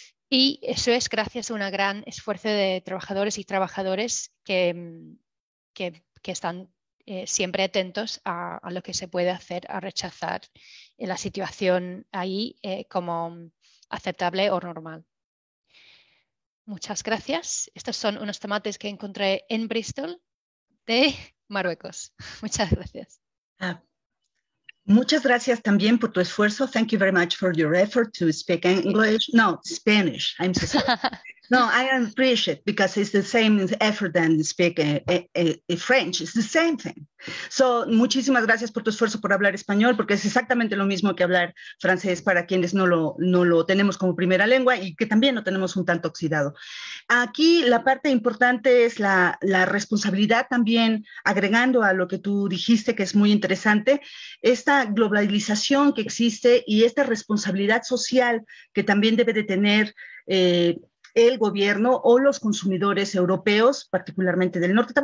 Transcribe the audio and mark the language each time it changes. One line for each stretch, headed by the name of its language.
Spanish: Y eso es gracias a un gran esfuerzo de trabajadores y trabajadoras que están siempre atentos a lo que se puede hacer a rechazar la situación ahí como aceptable o normal. Muchas gracias. Estos son unos tomates que encontré en Bristol de Marruecos. Muchas gracias. Ah, Muchas gracias también por tu esfuerzo.
English: Thank you very much for your effort to speak English. No, Spanish. I'm so sorry. No, I appreciate it because it's the same effort than speak French. It's the same thing.
Spanish: So, muchísimas gracias por tu esfuerzo por hablar español, porque es exactamente lo mismo que hablar francés para quienes no lo tenemos como primera lengua y que también lo tenemos un tanto oxidado. Aquí la parte importante es la responsabilidad también, agregando a lo que tú dijiste, que es muy interesante, esta globalización que existe y esta responsabilidad social que también debe de tener el gobierno o los consumidores europeos, particularmente del norte.